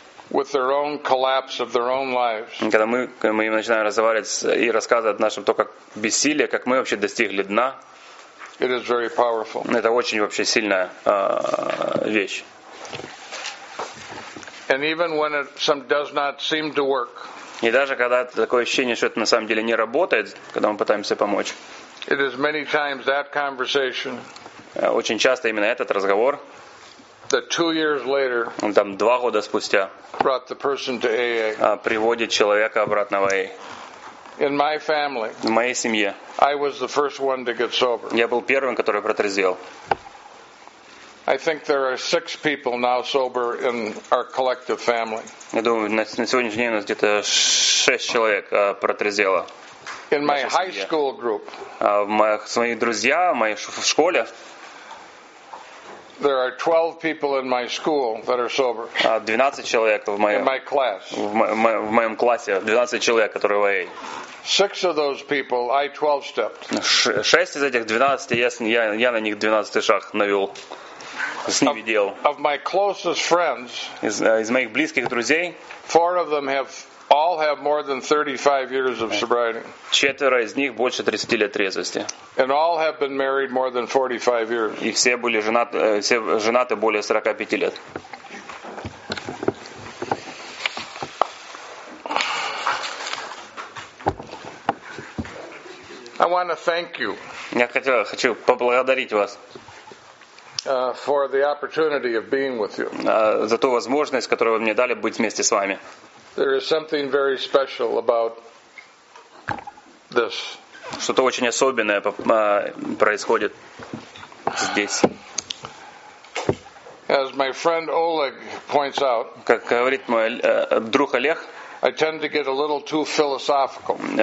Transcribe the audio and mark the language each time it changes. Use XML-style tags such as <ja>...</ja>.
<en>With their own collapse of their own lives.</en> <ru>Когда мы начинаем разговаривать и рассказывать о нашем то, как бессилие, как мы вообще достигли дна.</ru> <en>It is very powerful.</en> <ru>Это очень вообще сильная вещь.</ru> <en>And even when it some does not seem to work.</en> <ru>И даже когда такое ощущение, что это на самом деле не работает, когда мы пытаемся помочь.</ru> <en>It is many times that conversation.</en> <ru>Очень часто именно этот разговор.</ru> <en>That 2 years later.</en> <ru>Он там 2 года спустя.</ru> <en>Brought the person to AA.</en> <ru>Приводит человека обратно в AA.</ru> <en>In my family.</en> <ru>В моей семье.</ru> <en>I was the first one to get sober.</en> <ru>Я был первым, который протрезвел.</ru> <en>I think there are 6 people now sober in our collective family.</en> <ru>Я думаю, на сегодняшний день у нас где-то 6 человек протрезвело.</ru> <en>In my high school group.</en> <ru>Мои друзья, мои в школе.</ru> <en>There are 12 people in my school that are sober.</en> <ru>12 человек в моем.</ru> <en>In my class.</en> <ru>В моем классе 12 человек, которые в AA.</ru> <en>6 of those people, I 12 stepped.</en> <ru>6 из этих 12, я на них 12 шаг навел. С ними делал.</ru> <en>Of my closest friends.</en> <ru>Из моих близких друзей.</ru> <en>4 of them have all have more than 35 years of sobriety.</en> <ru>4 из них больше 30 лет трезвости.</ru> <en>And all have been married more than 45 years.</en> <ru>И все были женаты, все женаты более 45 лет.</ru> <en>I want to thank you.</en> <ru>Я хочу поблагодарить вас.</ru> <en>For the opportunity of being with you.</en> <ru>За ту возможность, которую вы мне дали быть вместе с вами.</ru> <en>There is something very special about this.</en> <ru>Что-то очень особенное происходит здесь.</ru> <en>As my friend Oleg points out,</en> <ru>как говорит мой друг Олег,</ru> <en>I tend to get a little too philosophical.</en>